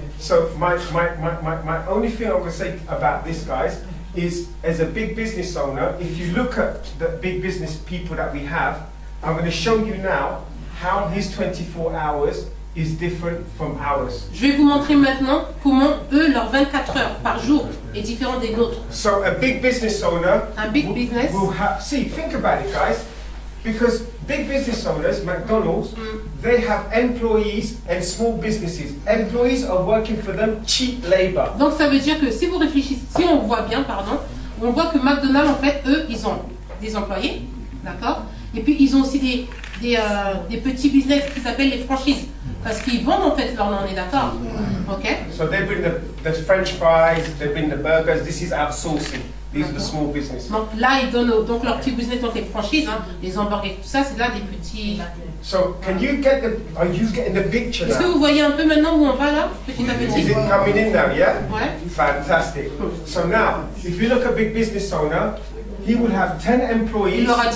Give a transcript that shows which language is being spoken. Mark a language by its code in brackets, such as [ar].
[en] So my only thing I would say about this guys is as a big business owner, if you look at the big business people that we have, I'm going to show you now how his 24 hours is different from ours. [fr] Je vais vous montrer maintenant comment eux leurs 24 heures par jour est différent des nôtres. [en] So a big business owner. [fr] Un big business. [en] Think about it, guys, because big business owners, McDonald's, they have employees and small businesses. Employees are working for them cheap labor. [fr] Donc ça veut dire que si vous réfléchissez, si on voit bien, pardon, on voit que McDonald's en fait eux ils ont des employés, d'accord, et puis ils ont aussi des petits business qu'ils appellent les franchises. Parce qu'ils vendent en fait leur nom, on est d'accord, ok? [en] So they bring the French fries, they bring the burgers. This is outsourcing. These are the small business. [fr] Donc là, ils donnent donc leur petit business dans les franchises, hein, les hamburgers, tout ça, c'est là des petits. [en] So can you get the? Are you getting the picture? [fr] Est-ce que vous voyez un peu maintenant où on va là, petit à petit? [en] Is it coming in now? Yeah. [fr] Ouais. [en] Fantastic. So now, if you look at big business owner, he will have 10 employees.